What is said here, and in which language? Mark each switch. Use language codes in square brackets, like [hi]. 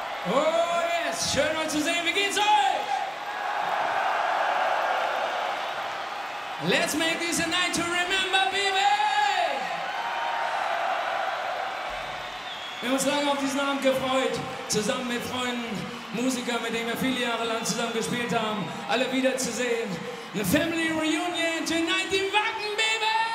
[en] Oh, yes, [de] schön euch zu sehen. Wie geht's euch? [en] Let's make this a night to remember, baby! [de] Wir haben uns lange auf diesen Abend gefreut, zusammen mit Freunden, Musikern, mit denen wir viele Jahre lang zusammen gespielt haben, alle wiederzusehen. Eine [en] Family Reunion tonight in Wacken, baby!